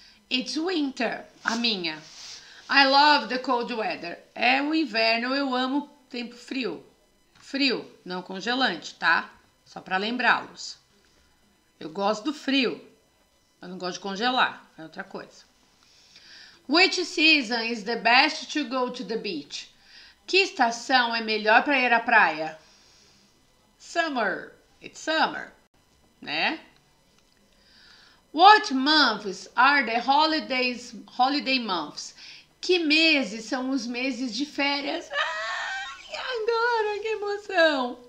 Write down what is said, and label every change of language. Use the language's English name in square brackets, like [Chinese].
[English] It's winter, a minha. I love the cold weather. [Portuguese] É o inverno, eu amo tempo frio. Frio, não congelante, tá? Só para lembrá-los. Eu gosto do frio. Eu não gosto de congelar, é outra coisa. [English] Which season is the best to go to the beach? [Portuguese] Que estação é melhor para ir à praia? [English] Summer. It's summer, né? What months are the holidays, holiday months? [Portuguese] Que meses são os meses de férias? Ai, agora que emoção!